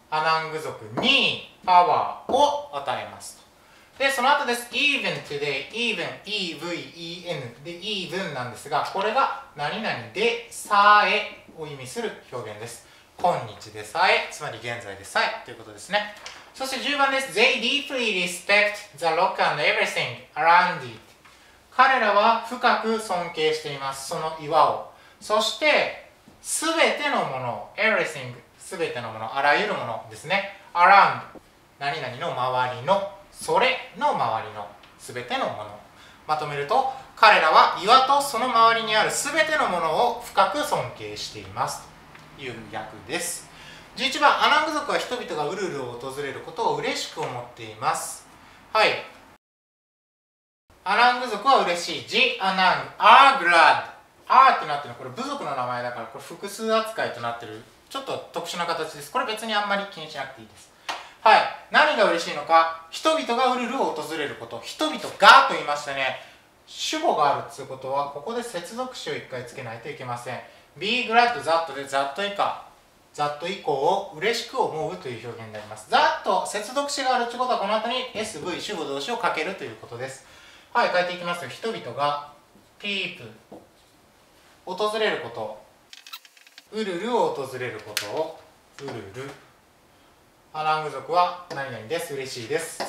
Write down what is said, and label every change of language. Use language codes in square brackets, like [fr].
[ja] Anang族に power を与えます。で、その後です。 Even today, even, E-V-E-N で even なんですが、これが何々でさえを意味する表現です。今日でさえ、つまり現在でさえということですね。そして10番です。 [en] They deeply respect the rock and everything around it. [ja] 彼らは深く尊敬しています。その岩を。そして、すべてのものを。 everything。 すべてのもの。あらゆるものですね。around。何々の周りの。それの周りの。すべてのもの。まとめると、彼らは岩とその周りにあるすべてのものを深く尊敬しています。という訳です。11番、アナング族は人々がウルルを訪れることを嬉しく思っています。はい。アナング族は嬉しい。 [en] ジ・アナング、アー・グラッド。 [ja] アーってなってるのは、これ部族の名前だから、これ複数扱いとなってる。ちょっと特殊な形です。これ別にあんまり気にしなくていいです。はい。何が嬉しいのか、人々がウルルを訪れること。人々がと言いましたね。主語があるっていうことは、ここで接続詞を一回つけないといけません。 [en] Be glad that で、that 以下。 [ja] ザット以降を嬉しく思うという表現になります。ザット、接続詞があるということはこの後に SV、主語動詞をかけるということです。はい、書いていきますよ。人々が、ピープ、訪れること、ウルルを訪れることを、ウルル、アナング族は何々です、嬉しいです。